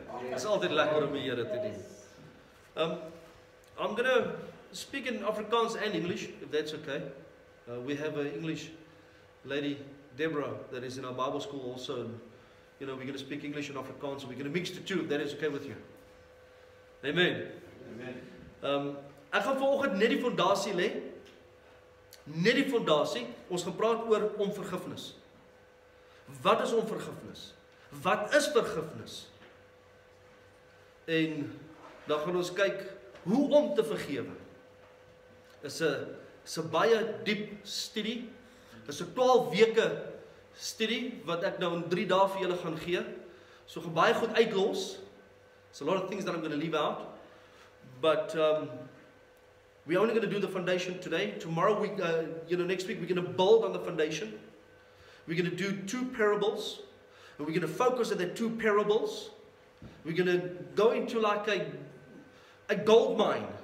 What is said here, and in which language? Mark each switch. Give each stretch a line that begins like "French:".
Afrikaans: It's altijd lekker om die Here te dien.
English: I'm going to speak in Afrikaans and English, if that's okay. We have an English lady, Deborah, that is in our Bible school also. And, you know, we're going to speak English and Afrikaans. We're going to mix the two, if that is okay with you. Amen. Amen.
Afrikaans: Ek gaan vanoggend net die fondasie lê. Net die fondasie. Ons gaan praat oor onvergifnis. Wat is onvergifnis? Wat is vergifnis? En dan gaan ons kyk hoe om te vergewe. Is 'n baie diep studie. Is 'n 12 weke studie wat ek nou in 3 dae vir julle gaan gee. So gaan baie goed uitlos.
English: It's a lot of things that I'm going to leave out. But we're only going to do the foundation today. Tomorrow, next week, we're going to build on the foundation. We're going to do 2 parables. And we're going to focus on the 2 parables. We're going to go into like a gold mine.